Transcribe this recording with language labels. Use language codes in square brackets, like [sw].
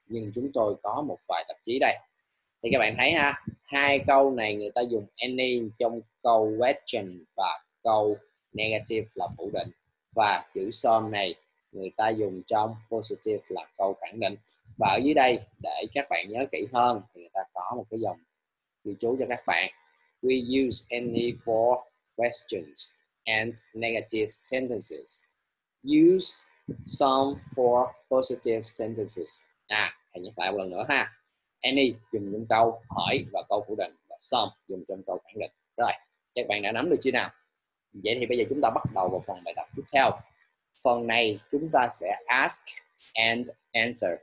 [vi] Nhưng chúng tôi có một vài tạp chí đây. Thì các bạn thấy ha, hai câu này người ta dùng any trong câu question và câu negative là phủ định. Và chữ some này người ta dùng trong positive là câu khẳng định. Và ở dưới đây, để các bạn nhớ kỹ hơn, thì người ta có một cái dòng ghi chú cho các bạn. [en] We use any for questions and negative sentences. Use some for positive sentences. [vi] À, hãy nhắc lại một lần nữa ha. Any dùng trong câu hỏi và câu phủ định và some dùng trong câu khẳng định. Rồi, các bạn đã nắm được chưa nào? Vậy thì bây giờ chúng ta bắt đầu vào phần bài tập tiếp theo. Phần này chúng ta sẽ [en] ask and answer.